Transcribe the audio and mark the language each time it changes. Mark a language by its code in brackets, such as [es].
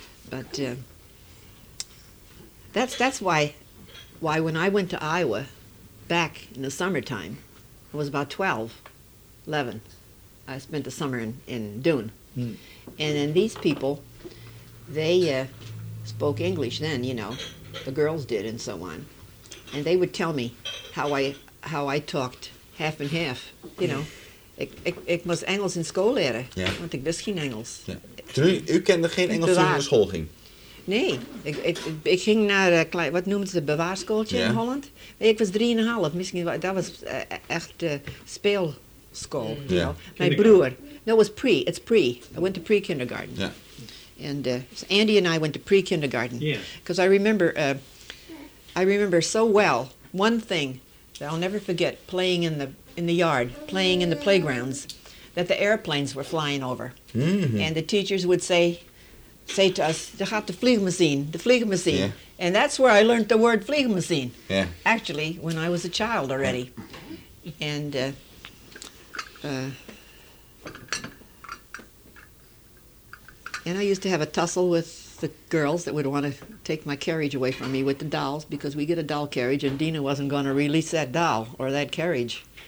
[en] But that's why when I went to Iowa back in the summertime, it was about 12, 11. I spent the summer in Doane. Mm. And then these people... they spoke English then, you know, the girls did and so on. And they would tell me how I talked half and half, you know. [nl] Ik moest Engels in school leren, want ik wist geen Engels. [en] Yeah. [nl] U kende geen Engels toen u naar school ging? Nee, ik ging naar, wat noemen ze, bewaarschooltje in Holland. Ik was 3.5, misschien, dat was echt speelschool, [en] you know. My broer, no, it's pre. I went to pre-kindergarten. Yeah. And so Andy and I went to pre-kindergarten. Yeah. Because I remember so well one thing that I'll never forget, playing in the yard, playing in the playgrounds, that the airplanes were flying over. Mm-hmm. And the teachers would say, say to us, [nl] "Daar gaat de vliegmachine, [en] the vliegmachine." Yeah. And that's where I learned the word vliegmachine. Yeah. Actually, when I was a child already. Yeah. And and I used to have a tussle with the girls that would want to take my carriage away from me with the dolls, because we get a doll carriage, and Dina wasn't going to release that doll or that carriage.